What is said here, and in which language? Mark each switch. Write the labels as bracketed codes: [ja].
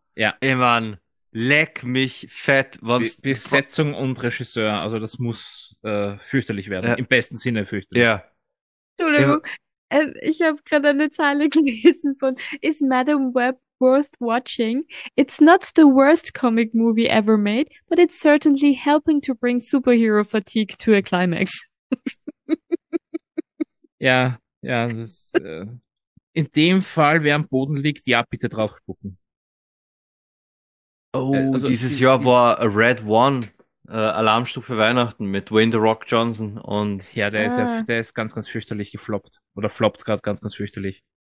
[de] Ja. Ich meine, leck mich fett. Besetzung und Regisseur, also das muss fürchterlich werden. Ja. Im besten Sinne fürchterlich. Ja. Entschuldigung. Ich habe gerade eine Zeile gelesen von [en] Is Madam Web worth watching? It's not the worst comic movie ever made, but it's certainly helping to bring superhero fatigue to a climax. [de] Ja, das. In dem Fall, wer am Boden liegt, ja, bitte drauf spucken. Oh, also dieses Jahr war Red One, Alarmstufe Weihnachten mit Dwayne The Rock Johnson und. Ja, der ist ganz, ganz fürchterlich gefloppt. Oder floppt gerade ganz, ganz fürchterlich.